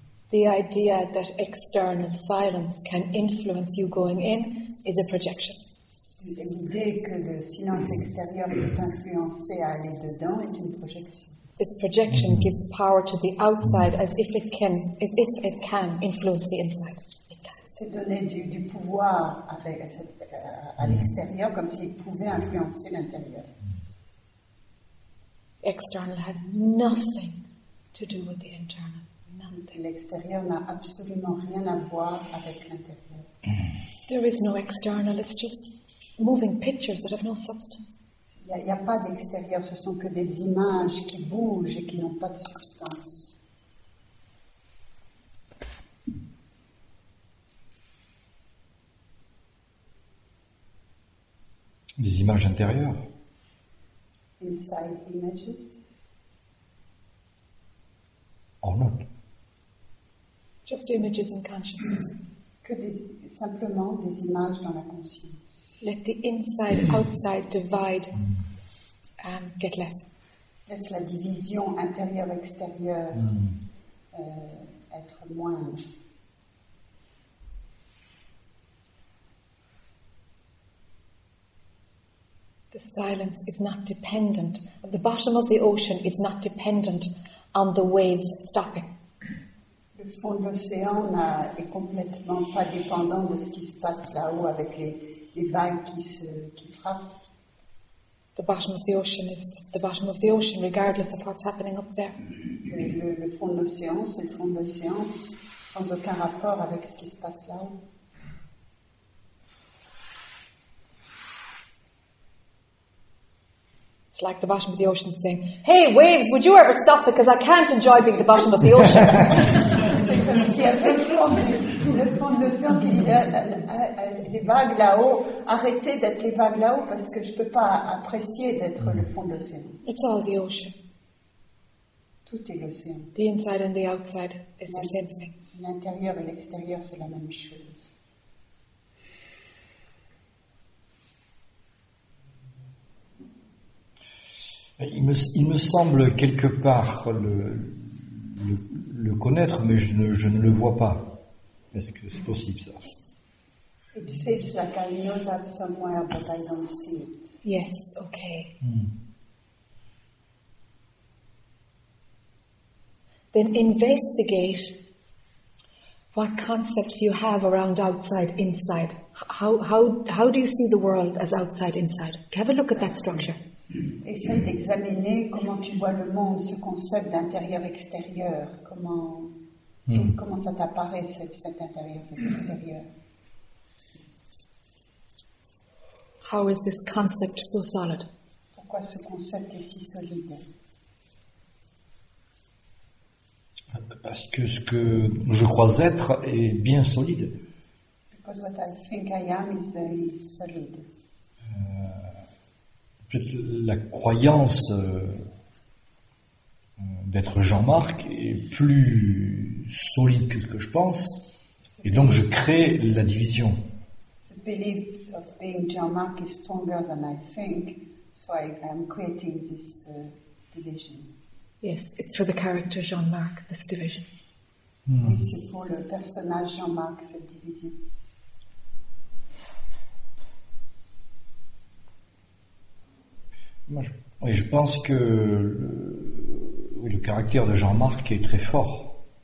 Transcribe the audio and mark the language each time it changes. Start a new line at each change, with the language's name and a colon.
English: The idea that external silence can influence you going in is a projection.
French: L'idée que le silence extérieur peut influencer à aller dedans est une projection.
English: This projection gives power to the outside as if it can influence the inside.
French: C'est donner du pouvoir à l'extérieur comme s'il pouvait influencer l'intérieur.
English: External has nothing to do with the internal.
French: L'extérieur n'a absolument rien à voir avec l'intérieur.
English: There is no external, it's just moving pictures that have no substance.
French: Il n'y a pas d'extérieur, ce sont que des images qui bougent et qui n'ont pas de substance. Des images intérieures.
English: Inside images. Or not. Just images in consciousness.
French: Que des, simplement des images dans la conscience.
English: Let the inside outside divide get less.
French: Laisse la division intérieure extérieure être moins.
English: The silence is not dependent. The bottom of the ocean is not dependent on the waves stopping.
French: Le fond de l'océan n'est complètement pas dépendant de ce qui se passe là-haut avec les vagues qui frappent.
English: The bottom of the ocean is the bottom of the ocean, regardless of what's happening up there.
French: Le fond de l'océan, c'est le fond de l'océan, sans aucun rapport avec ce qui se passe là-haut.
English: It's like the bottom of the ocean saying, "Hey, waves, would you ever stop? Because I can't enjoy being the bottom of the ocean."
French: parce qu'il y avait le fond de l'océan qui disait les vagues là-haut, arrêtez d'être les vagues là-haut parce que je ne peux pas apprécier d'être le fond de l'océan.
English: It's all the ocean.
French: Tout est l'océan.
English: The inside and the outside is the same thing.
French: L'intérieur et l'extérieur, c'est la même chose. Il me semble quelque part le connaître, mais je ne le vois pas. Est-ce que c'est possible, ça?
English: It feels like I know that somewhere, but I don't see it. Yes, okay. Then investigate what concepts you have around outside, inside. How do you see the world as outside, inside? Have a look at that structure.
French: Essaye d'examiner comment tu vois le monde, ce concept d'intérieur-extérieur, comment ça t'apparaît, cet intérieur, cet extérieur.
English: How is this concept so solid?
French: Pourquoi ce concept est si solide? Parce que ce que je crois être est bien solide.
English: Because what I think I am is very solid.
French: La croyance d'être Jean-Marc est plus solide que ce que je pense, et donc je crée la division. The belief of being Jean-Marc is stronger than I think, so I am creating this division.
English: Yes, it's for the character Jean-Marc, this division.
French: Oui, c'est pour le personnage Jean-Marc, cette division. Et je pense que le caractère de Jean-Marc est très fort.